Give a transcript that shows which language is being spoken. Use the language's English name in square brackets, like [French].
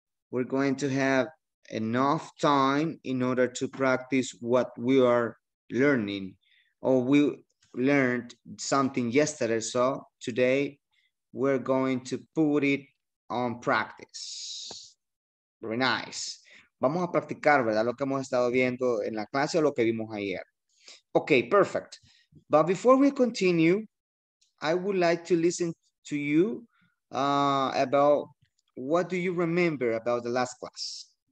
[English] We're going to have enough time in order to practice what we are learning, or we learned something yesterday. So today we're going to put it on practice. Very nice. [Spanish] Vamos a practicar, ¿verdad? Lo que hemos estado viendo en la clase o lo que vimos ayer. [English] Okay, perfect. But before we continue, I would like to listen to you about what do you remember about the last class?